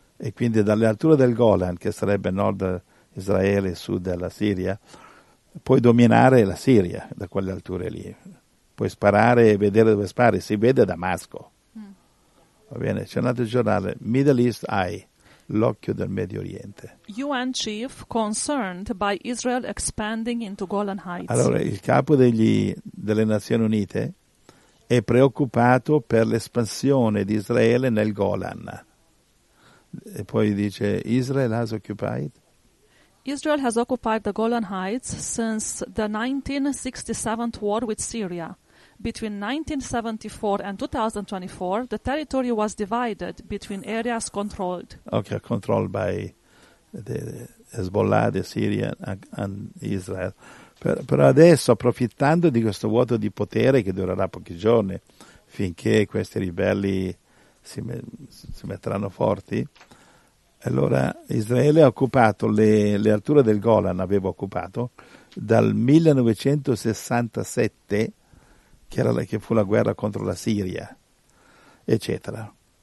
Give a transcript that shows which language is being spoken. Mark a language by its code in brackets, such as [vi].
[it] E quindi dalle alture del Golan, che sarebbe nord Israele e sud della Siria, puoi dominare la Siria da quelle alture lì. Puoi sparare e vedere dove spari. Si vede Damasco. Mm. Va bene, c'è un altro giornale, Middle East Eye, l'occhio del Medio Oriente. [en] UN chief concerned by Israel expanding into Golan Heights. [it] Allora, il capo delle Nazioni Unite è preoccupato per l'espansione di Israele nel Golan. E poi dice, [en] Israel has occupied? Israel has occupied the Golan Heights since the 1967 war with Syria. Between 1974 and 2024, the territory was divided between areas controlled. Okay, controlled by the Hezbollah, the Syria and Israel. [it] Però adesso, approfittando di questo vuoto di potere che durerà pochi giorni finché questi ribelli si metteranno forti, allora Israele ha occupato le alture del Golan, aveva occupato, dal 1967, che fu la guerra contro la Siria, eccetera.